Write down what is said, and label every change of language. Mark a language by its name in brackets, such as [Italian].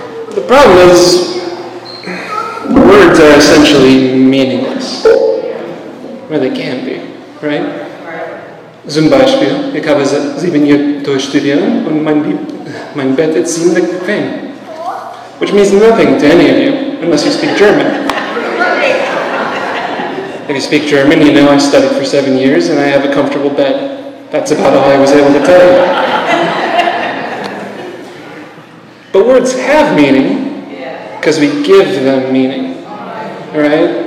[English] The problem is, words are essentially meaningless. Or they can be, right? [German] Zum Beispiel, ich habe 7 Jahre durchstudiert und mein Bett ist ziemlich bequem. [English] Which means nothing to any of you, unless you speak German. If you speak German, you know I studied for 7 years and I have a comfortable bed. That's about all I was able to tell you. But words have meaning, because we give them meaning. Alright?